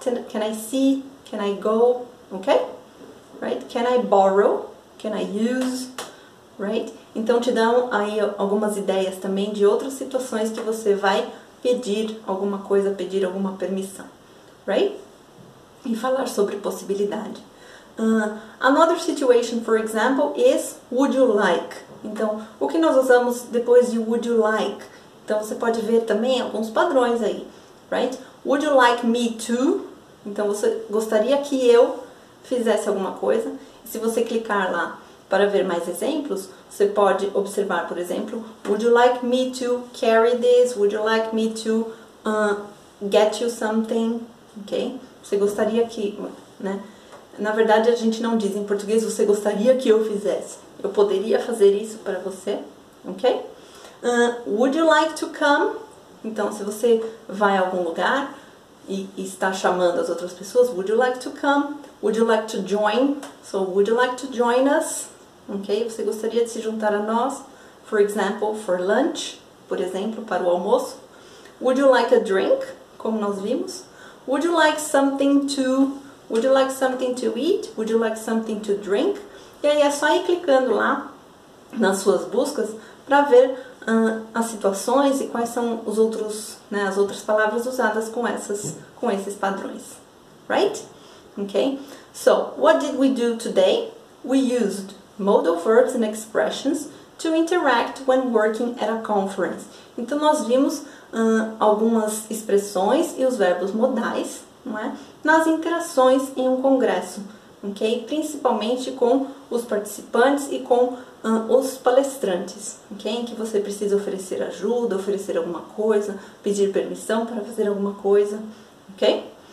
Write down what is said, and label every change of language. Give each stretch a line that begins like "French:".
English: Can I see? Can I go? Okay? Right? Can I borrow? Can I use? Right?
Portuguese: Então, te dão aí algumas ideias também de outras situações que você vai pedir alguma coisa, pedir alguma permissão, right? E falar sobre possibilidade.
English: Another situation, for example, is would you like?
Portuguese: Então, o que nós usamos depois de would you like? Então, você pode ver também alguns padrões aí, right?
English: Would you like me to?
Portuguese: Então, você gostaria que eu fizesse alguma coisa? Se você clicar lá para ver mais exemplos, você pode observar, por exemplo,
English: would you like me to carry this? Would you like me to get you something?
Portuguese: Ok? Você gostaria que, né? Na verdade, a gente não diz em português, você gostaria que eu fizesse. Eu poderia fazer isso para você, ok?
English: Would you like to come?
Portuguese: Então, se você vai a algum lugar e está chamando as outras pessoas,
English: would you like to come? Would you like to join? So, would you like to join us? Ok?
Portuguese: Você gostaria de se juntar a nós?
English: For example, for lunch,
Portuguese: por exemplo, para o almoço.
English: Would you like a drink?
Portuguese: Como nós vimos.
English: Would you like something to... Would you like something to eat? Would you like something to drink?
Portuguese: E aí é só ir clicando lá nas suas buscas para ver as situações e quais são os outros, né, as outras palavras usadas com essas, com esses padrões.
English: Right? Okay? So, what did we do today? We used modal verbs and expressions to interact when working at a conference.
Portuguese: Então, nós vimos algumas expressões e os verbos modais, não é? Nas interações em um congresso, ok? Principalmente com os participantes e com os palestrantes, ok? Em que você precisa oferecer ajuda, oferecer alguma coisa, pedir permissão para fazer alguma coisa, ok?